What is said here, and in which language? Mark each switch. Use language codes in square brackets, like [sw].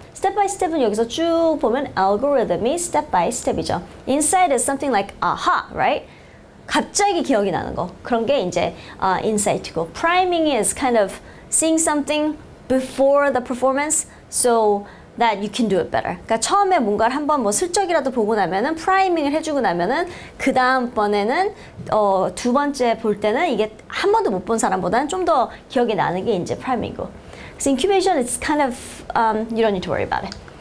[ko] Step-by-step은 여기서 쭉 보면 algorithm이 step-by-step이죠. [en] Insight is something like aha, right? [ko] 갑자기 기억이 나는 거. 그런 게 이제 insight이고. [en] Priming is kind of seeing something before the performance. So that you can do it better. [ko] 그러니까 처음에 뭔가를 한번 뭐 슬쩍이라도 보고 나면은 프라이밍을 해주고 나면은 그 다음번에는 두 번째 볼 때는 이게 한 번도 못 본 사람보다는 좀 더 기억이 나는 게 이제 프라이밍이고. [en] 그래서 incubation is kind of you don't need to worry about it.